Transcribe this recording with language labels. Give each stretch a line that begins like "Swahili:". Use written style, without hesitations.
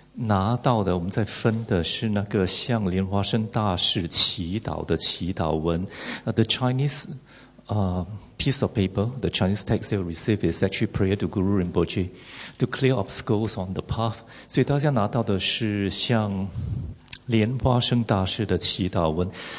Chinese: 拿到的，我们在分的是那个向莲花生大师祈祷的祈祷文。
English: The Chinese piece of paper, the Chinese text you receive is actually prayer to Guru Rinpoche to clear obstacles on the path.
Chinese: 所以大家拿到的是向莲花生大师的祈祷文。